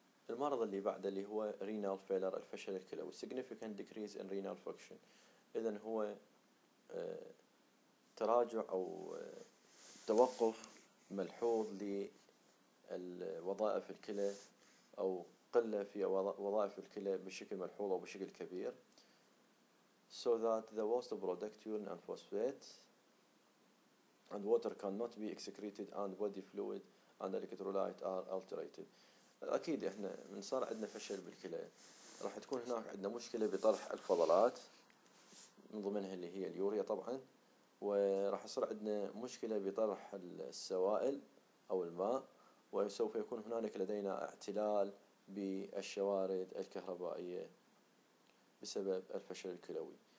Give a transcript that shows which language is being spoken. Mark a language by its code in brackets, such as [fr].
[ar] المرض اللي بعده اللي هو رينال فيلر, الفشل الكلوي, [en] significant decrease in renal function, [ar] إذن هو تراجع أو توقف ملحوظ للوظائف الكلى أو قلة في وظائف الكلى بشكل ملحوظ أو بشكل كبير. [en] so that the waste product urine and phosphate and water cannot be excreted and body fluid and electrolyte are alterated. [ar] أكيد إحنا من صار عندنا فشل بالكلى راح تكون هناك عندنا مشكلة بطرح الفضلات, من ضمنها اللي هي اليوريا طبعا, وراح يصير عندنا مشكلة بطرح السوائل أو الماء, وسوف يكون هنالك لدينا اعتلال بالشوارد الكهربائية بسبب الفشل الكلوي.